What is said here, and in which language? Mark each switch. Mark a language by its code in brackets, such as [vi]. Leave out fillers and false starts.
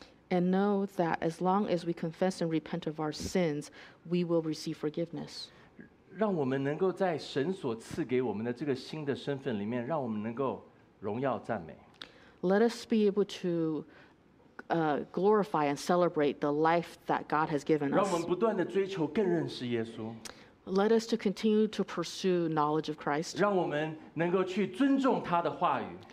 [en] and know that as long as we confess and repent of our sins, we will receive forgiveness. [zh] 让我们能够在神所赐给我们的这个新的身份里面，让我们能够荣耀赞美。 [en] Let us be able to glorify and celebrate the life that God has given us. [zh] 让我们不断地追求更认识耶稣。 [en] Let us to continue to pursue knowledge of Christ. [zh] 让我们能够去尊重他的话语。